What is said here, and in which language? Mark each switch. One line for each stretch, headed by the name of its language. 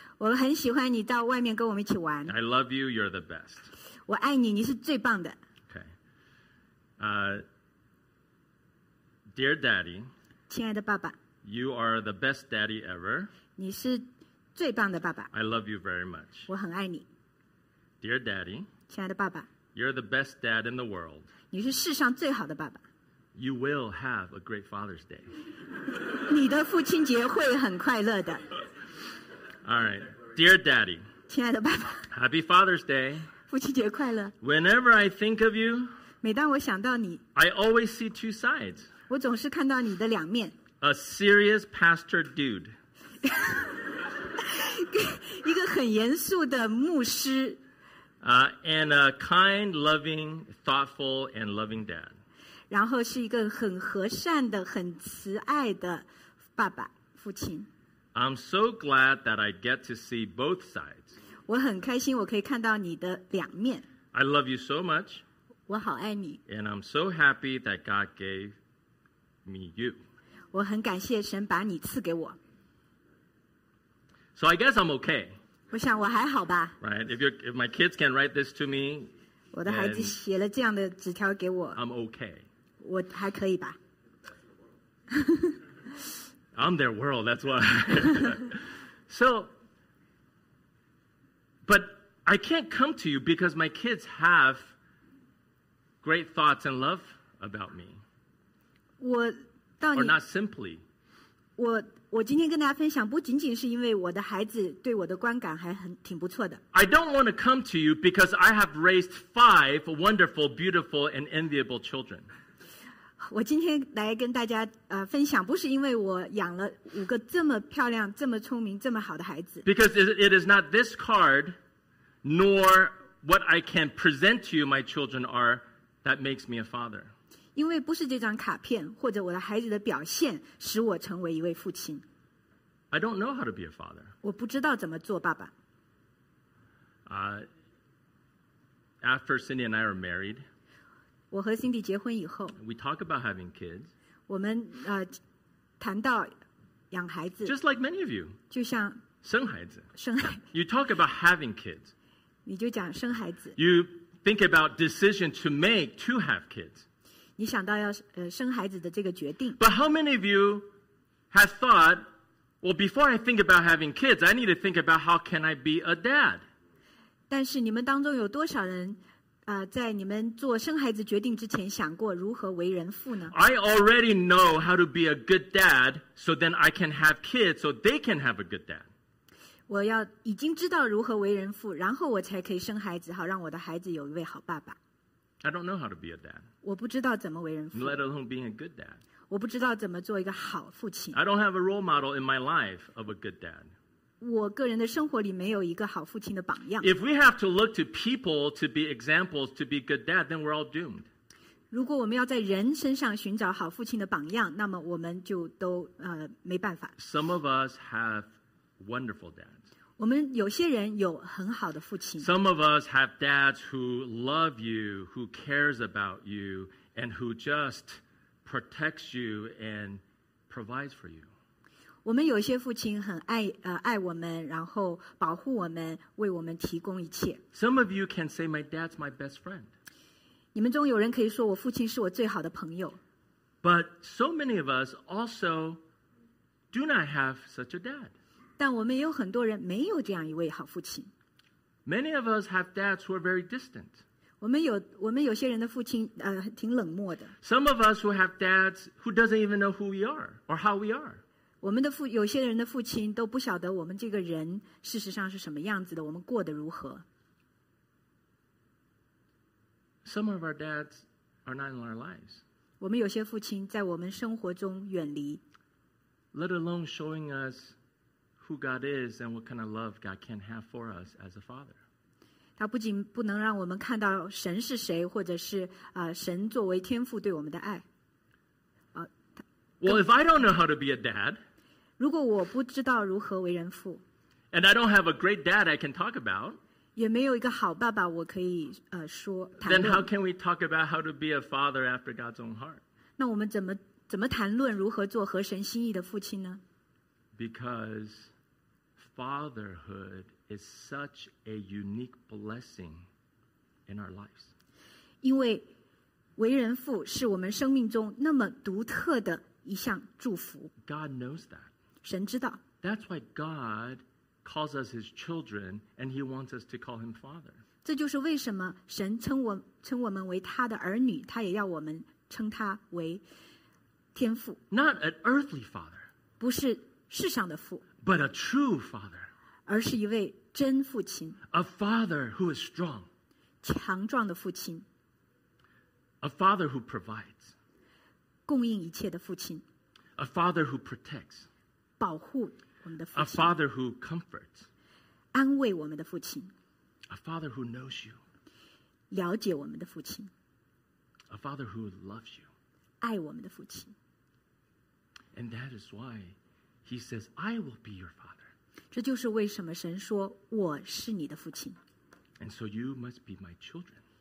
Chinese: 我很喜欢你到外面跟我们一起玩。
English: I love you, you're the best.
Chinese: 我爱你，你是最棒的。
English: Okay. Dear Daddy.
Chinese: 亲爱的爸爸。
English: You are the best daddy ever.
Chinese: 你是最棒的爸爸。
English: I love you very much.
Chinese: 我很爱你。
English: Dear Daddy.
Chinese: 亲爱的爸爸
English: You're the best dad in the world.
Chinese: 你是世上最好的爸爸
English: You will have a great Father's Day.
Chinese: 你的父亲节会很快乐的
English: All right. Dear Daddy.
Chinese: 亲爱的爸爸
English: Happy Father's Day.
Chinese: 父亲节快乐
English: Whenever I think of you.
Chinese: 每当我想到你
English: I always see two sides.
Chinese: 我总是看到你的两面
English: A serious pastor dude.
Chinese: 一个很严肃的牧师
English: And a kind, loving, thoughtful, and loving dad.
Chinese: 然后是一个很和善的、很慈爱的爸爸、父亲。
English: I'm so glad that I get to see both sides.
Chinese: 我很开心我可以看到你的两面。
English: I love you so much.
Chinese: 我好爱你。
English: And I'm so happy that God gave me you.
Chinese: 我很感谢神把你赐给我。
English: So I guess I'm okay.
Chinese: 我想我还好吧。
English: Right, if my kids can write this to me,
Chinese: 我的孩子写了这样的纸条给我。
English: I'm okay.
Chinese: 我还可以吧。
English: I'm their world, that's why. So, but I can't come to you because my kids have great thoughts and love about me.
Chinese: 我到你。
English: Or not simply.
Chinese: 我今天跟大家分享，不仅仅是因为我的孩子对我的观感还很挺不错的。
English: I don't want to come to you because I have raised five wonderful, beautiful, and enviable children.
Chinese: 我今天来跟大家分享，不是因为我养了五个这么漂亮、这么聪明、这么好的孩子。
English: Because it is not this card, nor what I can present to you my children are, that makes me a father.
Chinese: 因为不是这张卡片或者我的孩子的表现使我成为一位父亲。
English: I don't know how to be a father.
Chinese: 我不知道怎么做爸爸。
English: After Cindy and I are married,
Chinese: 我和 Cindy 结婚以后
English: we talk about having kids.
Chinese: 我们谈到养孩子
English: just like many of you.
Chinese: 就像生孩子。生孩子。
English: You talk about having kids.
Chinese: 你就讲生孩子。
English: You think about decision to make to have kids.
Chinese: 你想到要生孩子的这个决定。
English: But how many of you have thought, well, before I think about having kids, I need to think about how can I be a dad?
Chinese: 但是你们当中有多少人在你们做生孩子决定之前想过如何为人父呢？
English: I already know how to be a good dad, so then I can have kids, so they can have a good dad.
Chinese: 我要已经知道如何为人父，然后我才可以生孩子，好让我的孩子有一位好爸爸。
English: I don't know how to be a dad.
Chinese: 我不知道怎么为人父。
English: Let alone being a good dad.
Chinese: 我不知道怎么做一个好父亲。
English: I don't have a role model in my life of a good dad.
Chinese: 我个人的生活里没有一个好父亲的榜样。
English: If we have to look to people to be examples to be good dad, then we're all doomed.
Chinese: 如果我们要在人身上寻找好父亲的榜样，那么我们就都没办法。
English: Some of us have wonderful dads.
Chinese: 我们有些人有很好的父亲。
English: Some of us have dads who love you, who cares about you, and who just protects you and provides for you.
Chinese: 我们有些父亲很爱我们，然后保护我们，为我们提供一切。
English: Some of you can say, "My dad's my best friend."
Chinese: 你们中有人可以说，我父亲是我最好的朋友。
English: But so many of us also do not have such a dad.
Chinese: 但我们也有很多人没有这样一位好父亲。
English: Many of us have dads who are very distant.
Chinese: 我们有些人的父亲挺冷漠的。
English: Some of us who have dads who doesn't even know who we are or how we are.
Chinese: 我们的父有些人的父亲都不晓得我们这个人事实上是什么样子的，我们过得如何。
English: Some of our dads are not in our lives.
Chinese: 我们有些父亲在我们生活中远离。
English: Let alone showing us. Who God is and what kind of love God can have for us as a father.
Chinese: 他不仅不能让我们看到神是谁，或者是神作为天父对我们的爱。
English: Well, if I don't know how to be a dad,
Chinese: 如果我不知道如何为人父
English: ，and I don't have a great dad I can talk about,
Chinese: 也没有一个好爸爸我可以说。
English: Then how can we talk about how to be a father after God's own heart?
Chinese: 那我们怎么谈论如何做合神心意的父亲呢？
English: Because fatherhood is such a unique blessing in our lives.
Chinese: 因为为人父是我们生命中那么独特的一项祝福。
English: God knows that.
Chinese: 神知道。
English: That's why God calls us His children, and He wants us to call Him Father.
Chinese: 这就是为什么神称我们为他的儿女，他也要我们称他为天父。
English: Not an earthly father.
Chinese: 不是。世上的父
English: but a true father,
Chinese: 而是一位真父亲
English: a father who is strong,
Chinese: 强壮的父亲
English: a father who provides,
Chinese: 供应一切的父亲
English: a father who protects,
Chinese: 保护我们的父亲
English: a father who comforts,
Chinese: 安慰我们的父亲
English: a father who knows you,
Chinese: 了解我们的父亲
English: a father who loves you,
Chinese: 爱我们的父亲
English: and that is whyHe says, I will be your father.
Chinese: 这就是为什么神说我是你的父亲。
English: And so you must be my children.